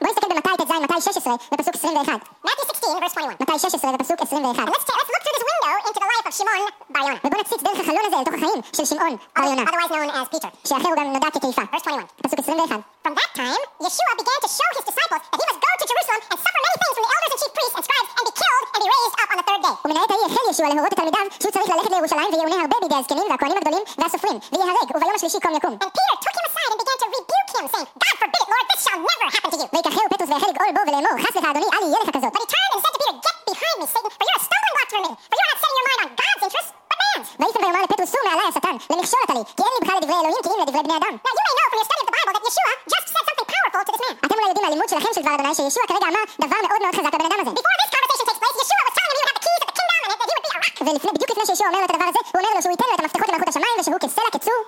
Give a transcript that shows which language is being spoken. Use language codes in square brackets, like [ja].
[he] בוא נסתכל במתי ט"ז, מתי 16, בפסוק 21. [en] Matthew 16, verse 21. [he] מתי 16, בפסוק 21. [en] And let's look through this window into the life of Shimon bar Yonah. [he] ובוא נציץ דרך החלון הזה אל תוך החיים של שמעון בר יונה. [en] Otherwise known as Peter. [he] שאחר הוא גם נודע כקיפה. [en] Verse 21. [he] פסוק 21. [en] From that time, Yeshua began to show his disciples that he must go to Jerusalem and suffer many things from the elders and chief priests and scribes and be killed and be raised up on the third day. [he] ומנהל תאי החל ישוע להורות את תלמידיו שהוא צריך ללכת לירושלים ויעונה הרבה בידי הזקנים והכהנים הגדולים והסופרים ויהרג וביום השלישי קום יקום. [en] And Peter took him aside and began to rebuke him saying, God forbid it, Lord, this shall never happen to you. [he] ויקחהו פטרוס והחל לגאול בו ולאמור, חס לך אדוני, אל יהיה לך כזאת. [en] But he turned and said to Peter, get behind me, Satan, for you're a stumbling block to me, for you are not setting your mind on God's interests. [he] ויפן ויאמר לפטרוס, סור מעלי השטן, למכשול אתה לי, כי אין לי בכלל לדברי אלוהים, כי אם לדברי בני אדם. [en] Now you may know from your study of the Bible that Yeshua just said something powerful to this man. [he] אתם אולי יודעים מהלימוד שלכם של דבר אדוני, שישוע כרגע אמר דבר מאוד מאוד חזק לבן אדם הזה. [en] Before this conversation takes place, Yeshua was telling him he would have the keys of the kingdom and that he would be a rock. [he] ולפני, בדיוק לפני שישוע אומר לו את הדבר הזה, הוא אומר לו שהוא ייתן לו את המפתחות למלכות השמיים, ושהוא כסלע, כצור.